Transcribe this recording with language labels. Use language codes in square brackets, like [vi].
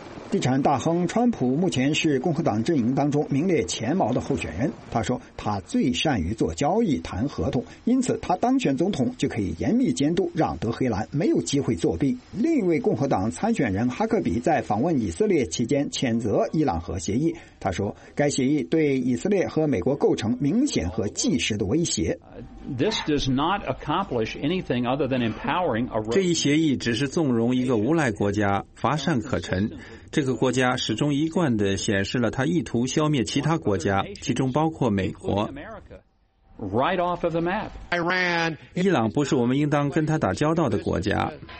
[zh] 地产大亨川普目前是共和党阵营当中名列前茅的候选人，他说他最善于做交易谈合同，因此他当选总统就可以严密监督，让德黑兰没有机会作弊。另一位共和党参选人哈克比在访问以色列期间谴责伊朗核协议，他说该协议对以色列和美国构成明显和即时的威胁。 [en] This does not accomplish anything other than empowering a. [zh] 这一协议只是纵容一个无赖国家，乏善可陈。这个国家始终一贯地显示了他意图消灭其他国家，其中包括美国。 [en] Right off of the map. Iran. [zh] 伊朗不是我们应当跟他打交道的国家。